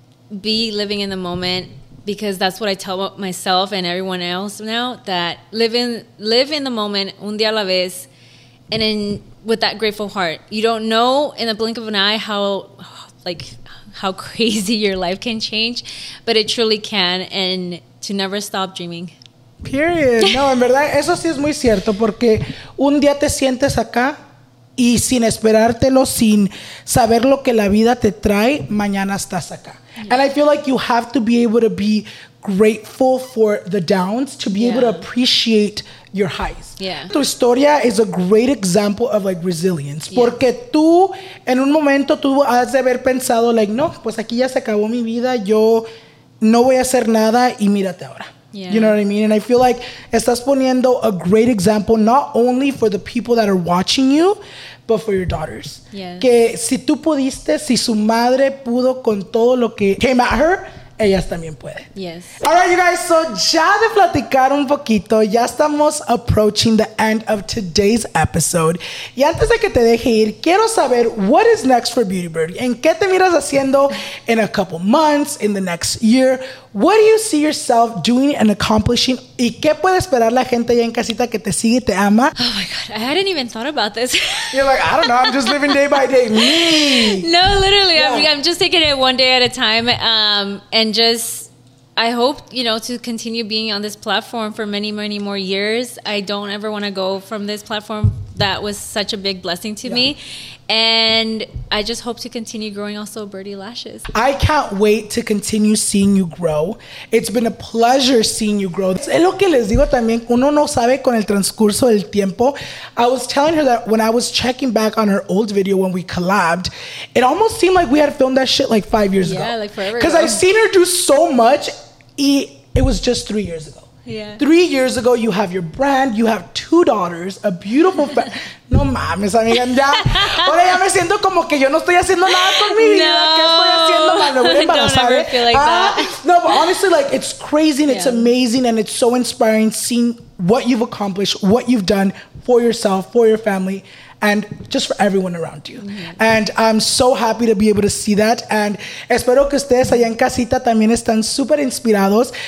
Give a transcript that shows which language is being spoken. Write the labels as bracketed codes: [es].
[en] Be living in the moment, because that's what I tell myself and everyone else now, that live in the moment, [es] un día a la vez, [en] and then with that grateful heart. You don't know in the blink of an eye how crazy your life can change, but it truly can, and to never stop dreaming. Period. [es] No, en verdad, eso sí es muy cierto, porque un día te sientes acá y sin esperártelo, sin saber lo que la vida te trae, mañana estás acá. [en] Yeah. And I feel like you have to be able to be grateful for the downs to be, yeah, able to appreciate your highs. Yeah. [es] Tu historia [en] is a great example of like resilience. Yeah. [es] Porque tú, en un momento, tú has de haber pensado like, no, pues aquí ya se acabó mi vida. Yo no voy a hacer nada y mírate ahora. [en] Yeah. You know what I mean? And I feel like [es] estás poniendo [en] a great example, not only for the people that are watching you, but for your daughters. Yes. [es] Que si tú pudiste, si su madre pudo con todo lo que [en] came at her, [es] ellas también pueden. [en] Yes. All right, you guys. So [es] ya de platicar un poquito, ya estamos [en] approaching the end of today's episode. [es] Y antes de que te deje ir, quiero saber, [en] what is next for Beauty Bird? [es] ¿En qué te miras haciendo [en] in a couple months, in the next year? What do you see yourself doing and accomplishing? [es] ¿Y qué puede esperar la gente allá en casita que te sigue y te ama? [en] Oh my God, I hadn't even thought about this. You're like, I don't know, I'm just living day by day. Me. No, literally, yeah. I'm just taking it one day at a time. And just, I hope, you know, to continue being on this platform for many, many more years. I don't ever want to go from this platform. That was such a big blessing to, yeah, me. And I just hope to continue growing also Birdie Lashes. I can't wait to continue seeing you grow. It's been a pleasure seeing you grow. [es] Es lo que les digo también, uno no sabe con el transcurso del tiempo. [en] I was telling her that when I was checking back on her old video when we collabed, it almost seemed like we had filmed that shit like 5 years, yeah, ago. Yeah, like forever ago. Because I've seen her do so much. It was just 3 years ago. Yeah. 3 years ago, you have your brand, you have two daughters, a beautiful family. [es] No mames, amiga. Ya, ahora ya me siento como que yo no estoy haciendo nada con mi vida. No. ¿Qué estoy haciendo? Man, voy a embarazar. [en] Don't ever feel like that. No, but honestly, like, it's crazy and, yeah, it's amazing and it's so inspiring seeing what you've accomplished, what you've done for yourself, for your family, and just for everyone around you. And I'm so happy to be able to see that. [es] And espero que ustedes allá en casita también están super inspirados.